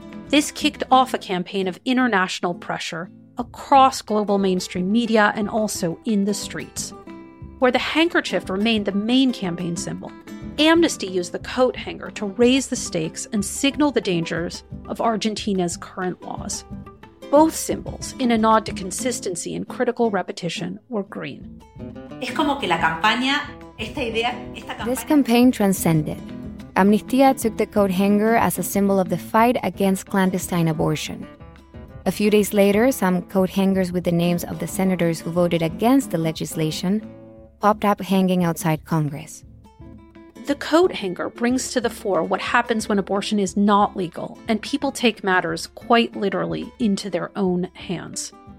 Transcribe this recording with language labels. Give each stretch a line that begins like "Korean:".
English: This kicked off a campaign of international pressure across global mainstream media and also in the streets. Where the handkerchief remained the main campaign symbol, Amnesty used the coat hanger to raise the stakes and signal the dangers of Argentina's current laws. Both symbols, in a nod to consistency and critical repetition, were green.
Spanish: Es como que la campaña, esta idea, esta campaña...
English: This campaign transcended. Amnistía took the coat hanger as a symbol of the fight against clandestine abortion. A few days later, some coat hangers with the names of the senators who voted against the legislation popped up hanging outside Congress. The coat hanger brings to the fore what happens when abortion is not legal and people take matters quite literally into their own hands.